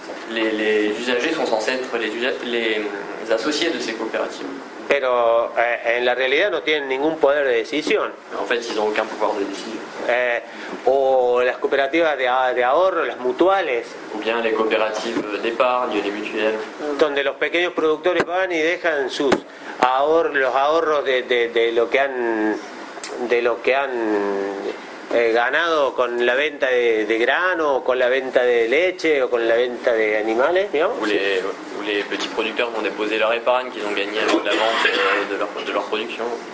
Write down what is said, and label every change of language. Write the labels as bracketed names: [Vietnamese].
[French] Les usagers sont censés être les associés de ces coopératives. [Spanish] Pero en la realidad no tienen ningún poder de decisión. [French] En fait, ils ont aucun pouvoir de décision. [Spanish] O las cooperativas de ahorro, las mutuales. [French] Ou bien les coopératives d'épargne, les mutuelles. [Spanish] Donde los pequeños productores van y dejan sus ahorros, los ahorros de lo que han ganado con la venta de grano, con la venta de leche o con la venta de animales, digamos. [French] Les petits producteurs vont déposer leur épargne qu'ils ont gagnée avec la vente de leur production.